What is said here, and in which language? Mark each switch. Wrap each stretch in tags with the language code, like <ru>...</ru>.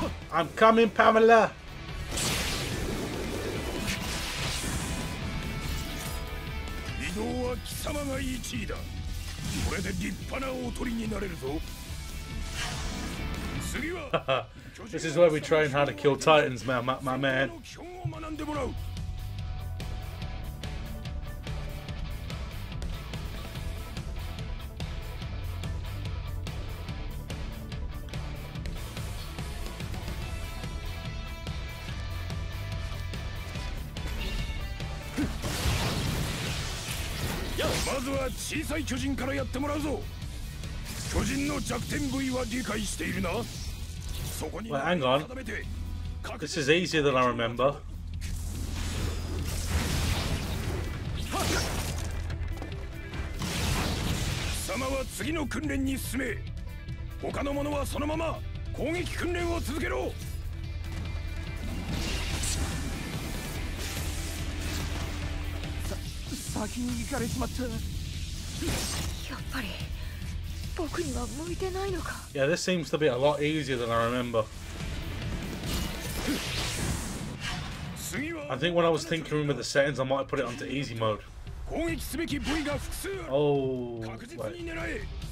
<en>I'm coming, Pamela.</en> <ja>Idoa, 貴様が一位だ。これで立派なおとりになれるぞ。次は。</ja> <en>This is where we train how to kill titans, my man.</en> <ja>基本を学んでもらう。小さい巨人からやってもらうぞ。巨人の弱点部位は理解しているな。そこに、</ja> <en>well, hang on. This is easier than I remember.</en> <ja>さまは次の訓練に進め。他の者はそのまま攻撃訓練を続けろ。先に行かれしまった。やっぱり僕には向いてないのか。</ja> <en>Yeah, this seems to be a lot easier than I remember. I think when I was thinking with the settings, I might put it onto easy mode. Oh, wait.</en>